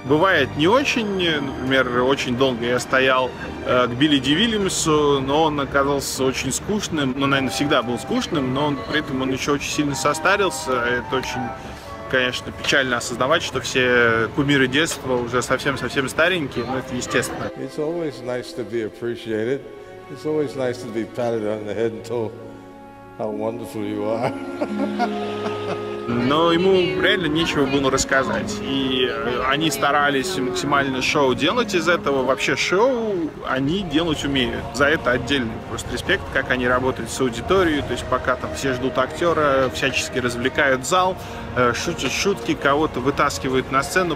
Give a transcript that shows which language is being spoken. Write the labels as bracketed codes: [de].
[ru] Бывает не очень. Например, очень долго я стоял к Билли Ди Вильямсу, но он оказался очень скучным. Ну, наверное, всегда был скучным, но он, при этом он еще очень сильно состарился. Это очень... конечно, печально осознавать, что все кумиры детства уже совсем-совсем старенькие, но это естественно. [en] It's always nice to be appreciated. It's always nice to be patted on the head and told how wonderful you are. [ru] Но ему реально нечего было рассказать. И они старались максимально шоу делать из этого. Вообще шоу они делать умеют. За это отдельный просто респект, как они работают с аудиторией. То есть пока там все ждут актера, всячески развлекают зал, шутят шутки, кого-то вытаскивают на сцену.